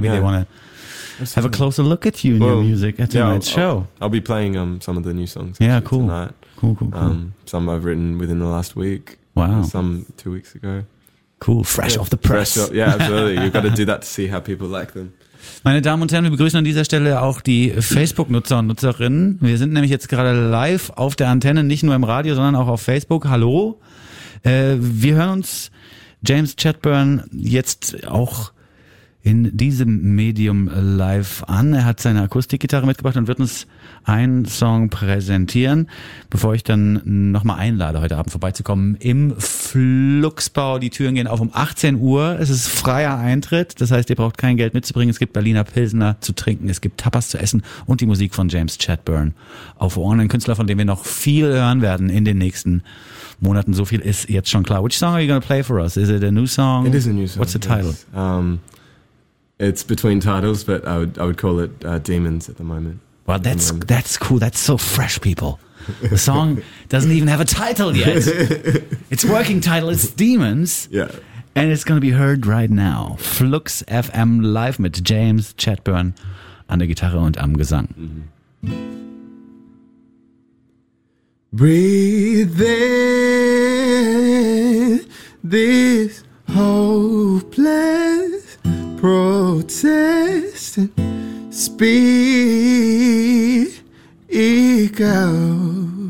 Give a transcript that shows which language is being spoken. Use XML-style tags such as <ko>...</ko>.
<en>Maybe they want to have a closer look at you and your music at tonight's show. I'll be playing some of the new songs tonight. Cool. Some I've written within the last week. Wow. Some 2 weeks ago. Cool, fresh off the press. Absolutely. You've got to do that to see how people like them.</en> <de>Meine Damen und Herren, wir begrüßen an dieser Stelle auch die Facebook-Nutzer und Nutzerinnen. Wir sind nämlich jetzt gerade live auf der Antenne, nicht nur im Radio, sondern auch auf Facebook. Hallo. Wir hören uns James Chadburn jetzt auch in diesem Medium live an. Er hat seine Akustikgitarre mitgebracht und wird uns einen Song präsentieren, bevor ich dann nochmal einlade, heute Abend vorbeizukommen im Fluxbau. Die Türen gehen auf um 18 Uhr. Es ist freier Eintritt. Das heißt, ihr braucht kein Geld mitzubringen. Es gibt Berliner Pilsner zu trinken. Es gibt Tapas zu essen und die Musik von James Chadburn auf Ohren. Ein Künstler, von dem wir noch viel hören werden in den nächsten Monaten. So viel ist jetzt schon klar.</de> <en>Which song are you going to play for us? Is it a new song? It is a new song. What's the title? It's between titles, but I would call it Demons at the moment. Well, that's cool. That's so fresh, people. The song doesn't even have a title yet. Its working title is Demons. Yeah. And it's going to be heard right now.</en> <de>Flux FM live mit James Chadburn an der Gitarre und am Gesang. Mm-hmm.</de> <en>Breathe in this hopeless protest and speak out.</en>